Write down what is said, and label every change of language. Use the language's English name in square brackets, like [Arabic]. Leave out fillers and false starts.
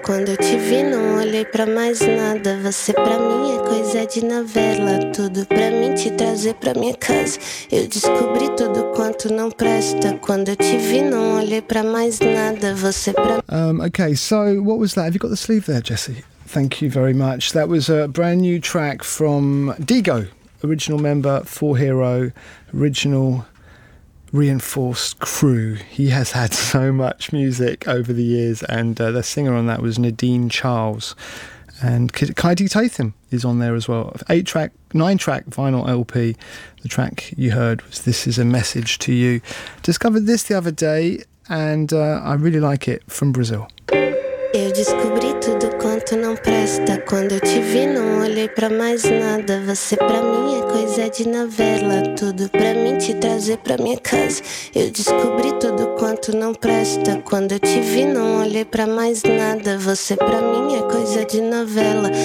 [Portuguese] Quando eu te vi, não olhei pra mais nada. Você pra mim é coisa de novela. Tudo pra mim te trazer pra minha casa. Eu descobri tudo quanto não presta. Quando eu te vi, não olhei pra mais nada. Você pra mim. [English] Okay, so what was that? Have you got the sleeve there, Jesse? Thank you very much. That was a brand new track from Digo, original member, Four Hero, original reinforced crew. He has had so much music over the years, and the singer on that was Nadine Charles, and Kaidi Tatham is on there as well. Nine track vinyl LP. The track you heard was This Is a Message to You. Discovered this the other day, and I really like it, from Brazil. [Portuguese] Eu descobri tudo quanto não presta. Quando eu te vi, não olhei pra mais nada. Você pra mim é coisa de novela. Tudo pra mim te trazer pra minha casa. Eu descobri tudo quanto não presta. Quando eu te vi, não olhei pra mais nada. Você pra mim é coisa de novela.